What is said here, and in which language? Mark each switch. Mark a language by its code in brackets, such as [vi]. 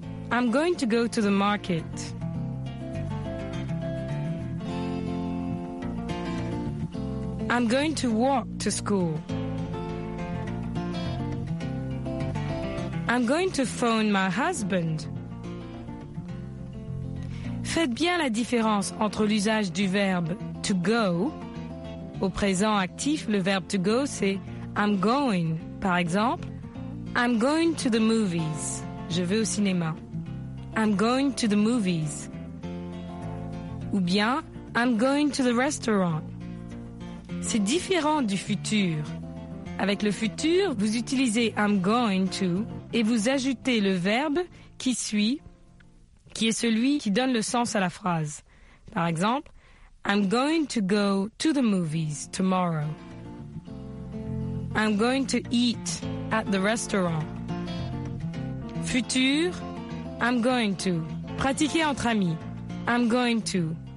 [en] I'm going to go to the market. I'm going to walk to school. I'm going to phone my husband. [fr] Faites bien la différence entre l'usage du verbe [en] to go. [fr] Au présent actif, le verbe [en] to go, [fr] c'est [en] I'm going. [fr] Par exemple, [en] I'm going to the movies. [fr] Je vais au cinéma. [en] I'm going to the movies. [fr] Ou bien, [en] I'm going to the restaurant. [fr] C'est différent du futur. Avec le futur, vous utilisez [en] I'm going to [fr] et vous ajoutez le verbe qui suit, qui est celui qui donne le sens à la phrase. Par exemple, [en] I'm going to go to the movies tomorrow. I'm going to eat at the restaurant. [fr] Futur, [en] I'm going to. [fr] Pratiquez entre amis. [en] I'm going to.